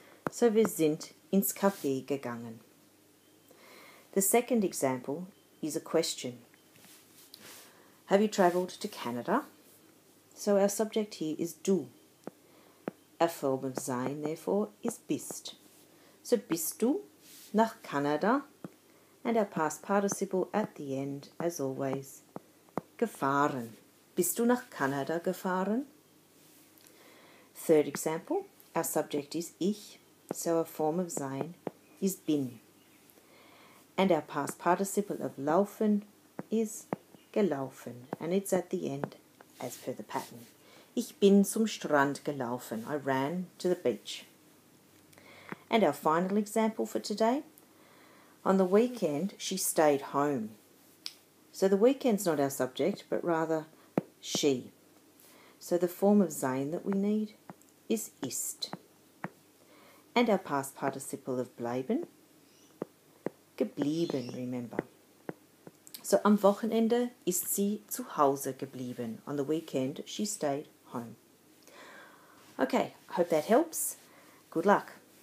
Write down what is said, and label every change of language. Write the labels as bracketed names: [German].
[German] So wir sind ins Café gegangen. [English] The second example is a question. Have you travelled to Canada? So our subject here is du. Our form of sein, therefore, is bist. So [German] bist du nach Kanada? [English] And our past participle at the end, as always, gefahren. [German] Bist du nach Kanada gefahren? [English] Third example, our subject is ich, so our form of sein is bin. And our past participle of laufen is gelaufen, and it's at the end, as per the pattern. [German] Ich bin zum Strand gelaufen. [English] I ran to the beach. And our final example for today. On the weekend, she stayed home. So the weekend's not our subject, but rather she. So the form of sein that we need is ist. And our past participle of bleiben. Geblieben, remember. [German] So am Wochenende ist sie zu Hause geblieben. [English] On the weekend, she stayed home. Okay, hope that helps. Good luck.